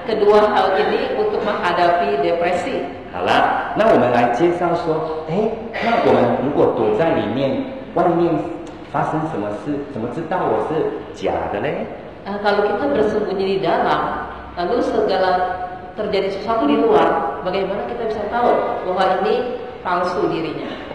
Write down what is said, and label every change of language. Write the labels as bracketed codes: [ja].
[id] Kedua hal ini untuk menghadapi depresi。 [zh] 好了，那我们来介绍说，哎，那我们如果躲在里面，外面发生什么事，怎么知道我是假的呢？ [id] Kalau kita bersembunyi di dalam, lalu segala terjadi sesuatu di luar, bagaimana kita bisa tahu bahwa ini palsu dirinya?